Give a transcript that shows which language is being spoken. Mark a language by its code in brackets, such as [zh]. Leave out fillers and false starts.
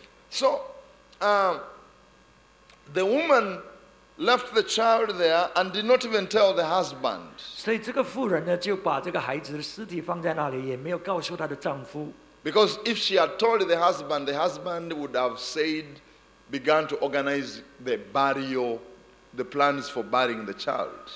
[en] So, the woman left the child there and did not even tell the husband. [zh] 所以这个妇人呢，就把这个孩子的尸体放在那里，也没有告诉她的丈夫。 [en] Because if she had told the husband would have said, began to organize the burial, the plans for burying the child.